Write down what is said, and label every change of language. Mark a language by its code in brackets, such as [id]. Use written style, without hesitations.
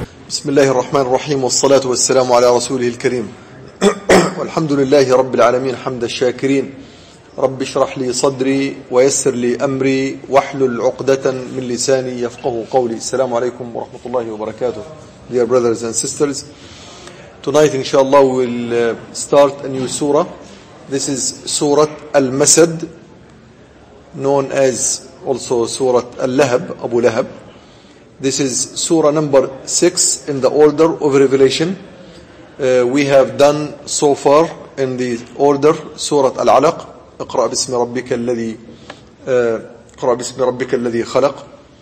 [ar] بسم الله الرحمن الرحيم والصلاة والسلام على رسوله الكريم والحمد لله رب العالمين حمد الشاكرين رب اشرح لي صدري ويسر لي أمري واحلل عقدة من لساني يفقه قولي السلام عليكم ورحمة الله وبركاته [en] Dear brothers and sisters Tonight inshallah we'll start a new surah This is Surat Al-Masad known as also Surat Al-Lahab, Abu Lahab. This is Surah number 6 in the order of revelation. We have done so far in the order Surat Al-Alaq, [ar] اقرأ باسم ربك الذي اقرأ باسم ربك الذي خلق.